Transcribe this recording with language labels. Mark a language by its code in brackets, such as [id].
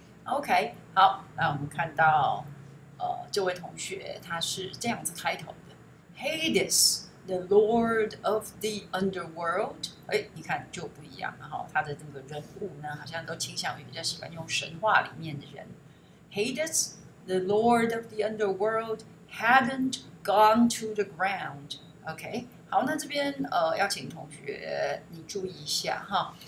[zh] OK， 好，来我们看到，这位同学他是这样子开头。 [en] Hades, the Lord of the Underworld. [zh] 哎，你看就不一样了哈。他的那个人物呢，好像都倾向于比较喜欢用神话里面的人。 [en] Hades, the Lord of the Underworld, hadn't gone to the ground. [zh] OK， 好，那这边要请同学你注意一下哈。